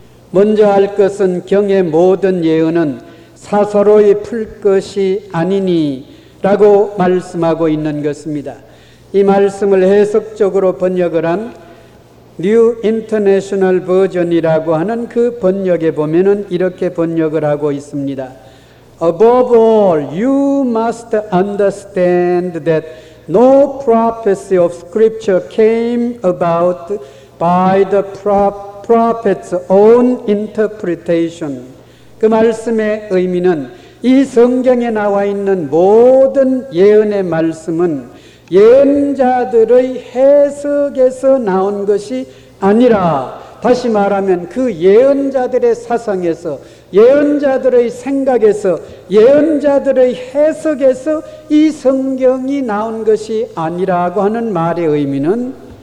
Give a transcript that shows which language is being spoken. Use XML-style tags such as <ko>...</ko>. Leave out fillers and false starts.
<ko>먼저 알 것은 경의 모든 예언은 사사로이 풀 것이 아니니 라고 말씀하고 있는 것입니다. 이 말씀을 해석적으로 번역을 한 뉴 인터내셔널 버전이라고 하는 그 번역에 보면은 이렇게 번역을 하고 있습니다.</ko> <en>Above all, you must understand that no prophecy of scripture came about by the prophet's own interpretation.</en> <ko>그 말씀의 의미는 이 성경에 나와 있는 모든 예언의 말씀은 예언자들의 해석에서 나온 것이 아니라 다시 말하면 그 예언자들의 사상에서 예언자들의 생각에서 예언자들의 해석에서 이 성경이 나온 것이 아니라고 하는 말의 의미는</ko>